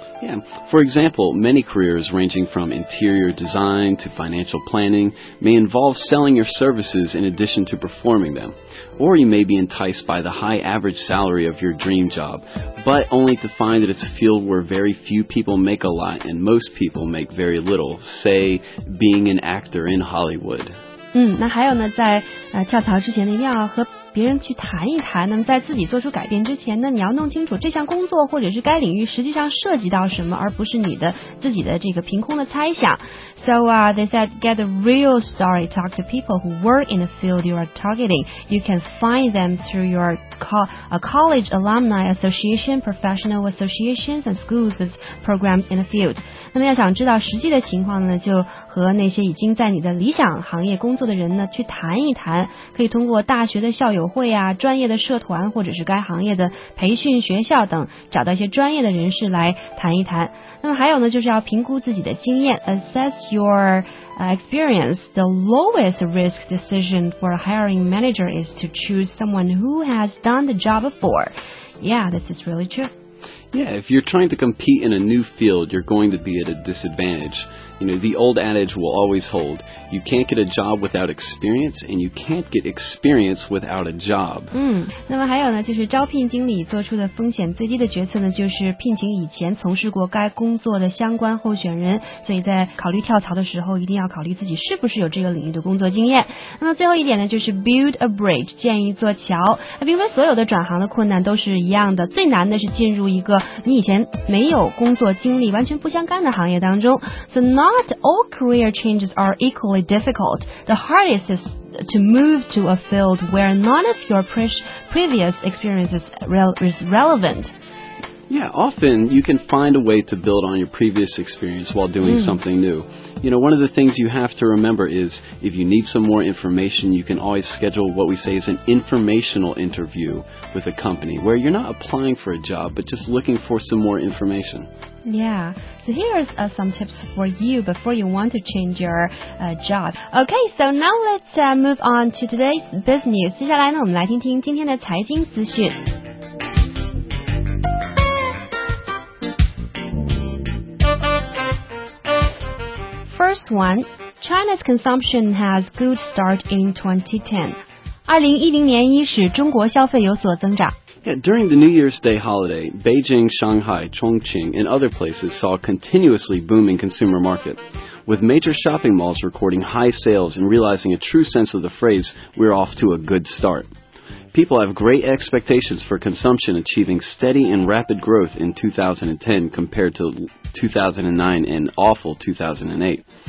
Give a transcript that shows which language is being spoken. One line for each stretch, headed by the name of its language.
English: Yeah, for example, many careers ranging from interior design to financial planning may involve selling your services in addition to performing them. Or you may be enticed by the high average salary of your dream job, but only to find that it's a field where very few people make a lot and most people make very little, say, being an actor in Hollywood.
Chinese: 那还有呢，在跳槽之前呢，一定要和别人去谈一谈。那么在自己做出改变之前呢，你要弄清楚这项工作或者是该领域实际上涉及到什么，而不是你的自己的这个凭空的猜想。
English: So they said get a real story, talk to people who work in the field you are targeting. You can find them through your college alumni association, professional associations and schools with programs in the field.
Chinese: 那么要想知道实际的情况呢，就和那些已经在你的理想行业工作的人呢去谈一谈，可以通过大学的校友友会啊，专业的社团，或者是该行业的培训学校等，找到一些专业的人士来谈一谈。那么还有呢，就是要评估自己的经验 ，
English: assess your experience. The lowest risk decision for a hiring manager is to choose someone who has done the job before. Yeah, this is really true. Yeah, if you're trying to compete in a new field, you're going to be at a disadvantage. You know, the old adage will always hold. You can't get a job without experience, and you can't get experience without a job.
Chinese: 那么还有呢，就是招聘经理做出的风险最低的决策呢，就是聘请以前从事过该工作的相关候选人。所以在考虑跳槽的时候，一定要考虑自己是不是有这个领域的工作经验。那么最后一点呢，就是
English: build a bridge,
Chinese: 建一座桥。并非所有的转行的困难都是一样的，最难的是进入一个你以前没有工作经历完全不相干的行业当中。
English: So not all career changes are equally difficult. The hardest is to move to a field where none of your previous experiences is relevant. Yeah, often you can find a way to build on your previous experience while doing something new. You know, one of the things you have to remember is if you need some more information, you can always schedule what we say is an informational interview with a company where you're not applying for a job, but just looking for some more information. Yeah. So here's some tips for you before you want to change your job. Okay, so now let's move on to today's biz news.
Chinese: 接下来呢，我们来听听今天的财经资讯。
English: First one, China's consumption has good start in 2010.
Chinese: 2010年伊始，中国消费有所增长。
English: Yeah, during the New Year's Day holiday, Beijing, Shanghai, Chongqing, and other places saw a continuously booming consumer market, with major shopping malls recording high sales and realizing a true sense of the phrase, we're off to a good start. People have great expectations for consumption achieving steady and rapid growth in 2010 compared to 2009 and awful 2008.